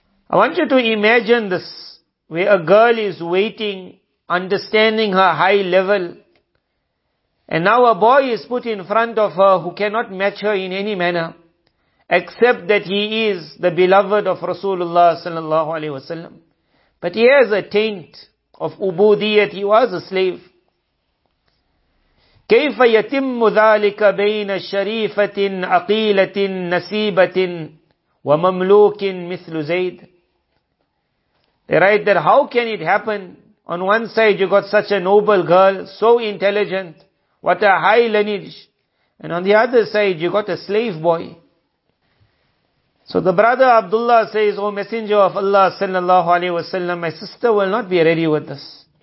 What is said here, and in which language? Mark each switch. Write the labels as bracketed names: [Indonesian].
[English] I want you to imagine this, where a girl is waiting, understanding her high level, and now a boy is put in front of her who cannot match her in any manner. Except that he is the beloved of Rasulullah sallallahu alayhi wa sallam. But he has a taint of ubudiyat, he was a slave. [Arabic] كَيْفَ يَتِمُّ ذَلِكَ بَيْنَ شَرِيفَةٍ عَقِيلَةٍ نَسِيبَةٍ وَمَمْلُوكٍ مِثْلُ زَيْدٍ. [English] They write that how can it happen? On one side you got such a noble girl, so intelligent, what a high lineage. And on the other side you got a slave boy. So the brother Abdullah says, O Messenger of Allah sallallahu alayhi wa sallam, my sister will not be ready with this.